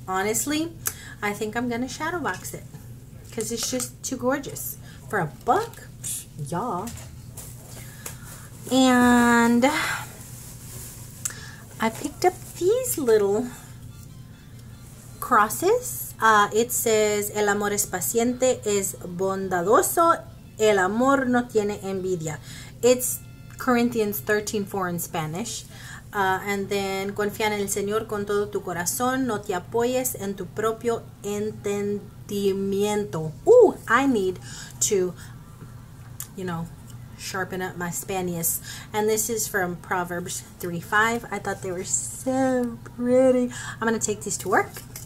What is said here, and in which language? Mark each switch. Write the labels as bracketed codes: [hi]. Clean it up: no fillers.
[en] Honestly, I think I'm going to shadow box it because it's just too gorgeous. For a buck, y'all. And I picked up these little crosses. It says, [es] El amor es paciente, es bondadoso. El amor no tiene envidia. [en] It's Corinthians 13:4 in Spanish. And then, [es] confía en el Señor con todo tu corazón. No te apoyes en tu propio entendimiento. [en] Ooh, I need to, you know, sharpen up my Spanish. And this is from Proverbs 3:5. I thought they were so pretty. I'm going to take these to work.